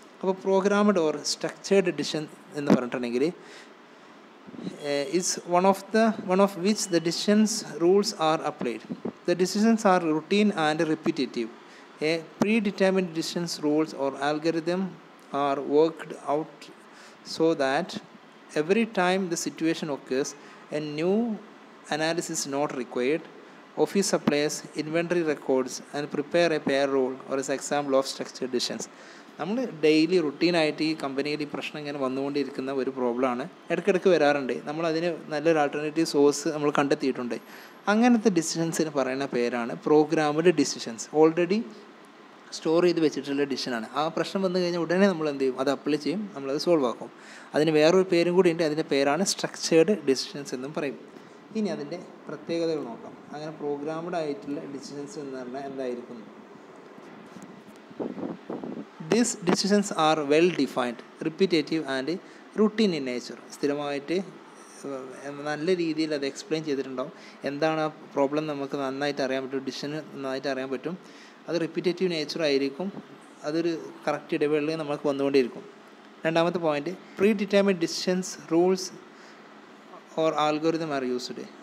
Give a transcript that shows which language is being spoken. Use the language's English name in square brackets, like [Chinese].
[English] അപ്പോൾ programmed or structured decision [Malayalam] എന്ന് പറഞ്ഞിട്ടുണ്ടെങ്കിൽ [English] Is one of which the decisions rules are applied. The decisions are routine and repetitive. A predetermined decisions rules or algorithm are worked out so that every time the situation occurs, a new analysis is not required. Office supplies, inventory records, and prepare a payroll or as example of structured decisions. [Malayalam] നമ്മൾ daily റുട്ടീനായിട്ട് ഈ കമ്പനിയിൽ ഈ പ്രശ്നം ഇങ്ങനെ വന്നുകൊണ്ടിരിക്കുന്ന ഒരു പ്രോബ്ലമാണ്. ഇടയ്ക്കിടയ്ക്ക് വരാറുണ്ട്. നമ്മളതിന് നല്ലൊരു ആൾട്ടർനേറ്റീവ് സോഴ്സ് നമ്മൾ കണ്ടെത്തിയിട്ടുണ്ട്. അങ്ങനത്തെ ഡിസിഷൻസിന് പറയുന്ന പേരാണ് പ്രോഗ്രാമഡ് ഡിസിഷൻസ്. ഓൾറെഡി സ്റ്റോർ ചെയ്ത് വെച്ചിട്ടുള്ള ഡിസിഷനാണ്. ആ പ്രശ്നം വന്നു കഴിഞ്ഞാൽ ഉടനെ നമ്മൾ എന്ത് ചെയ്യും? അത് അപ്ലൈ ചെയ്യും, നമ്മളത് സോൾവ് ആക്കും. അതിന് വേറൊരു പേരും കൂടി ഉണ്ട്, അതിൻ്റെ പേരാണ് സ്ട്രക്ചേർഡ് ഡിസിഷൻസ് എന്നും പറയും. ഇനി അതിൻ്റെ പ്രത്യേകതകൾ നോക്കാം. അങ്ങനെ പ്രോഗ്രാമഡ് ആയിട്ടുള്ള ഡിസിഷൻസ് എന്ന് പറഞ്ഞാൽ എന്തായിരിക്കും? [English] These decisions are well defined, repetitive and routine in nature. [Malayalam] സ്ഥിരമായിട്ട് നല്ല രീതിയിൽ അത് എക്സ്പ്ലെയിൻ ചെയ്തിട്ടുണ്ടാവും. എന്താണ് ആ പ്രോബ്ലം നമുക്ക് നന്നായിട്ട് അറിയാൻ പറ്റും, ഡിസിഷന് നന്നായിട്ട് അറിയാൻ പറ്റും. അത് റിപ്പീറ്റേറ്റീവ് നേച്ചർ ആയിരിക്കും, അതൊരു കറക്റ്റ് ഇടവേളയിൽ നമുക്ക് വന്നുകൊണ്ടിരിക്കും. രണ്ടാമത്തെ point, [English] Predetermined decisions rules or algorithm are used.